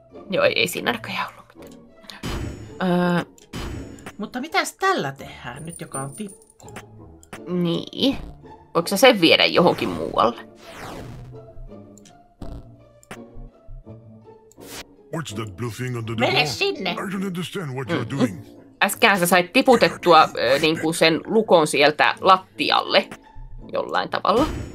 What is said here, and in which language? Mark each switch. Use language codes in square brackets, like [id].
[fi] Joo, ei siinä näköjään ollut mitään. Mutta mitäs tällä tehdään nyt, joka on tippu? Niin. Voitko sä sen viedä johonkin muualle? [en] What's that blue thing under the [fi] door? Mene sinne! [en] I don't understand what you're doing. [fi] Äskään sä sait tiputettua niin kuin sen lukon sieltä lattialle jollain tavalla.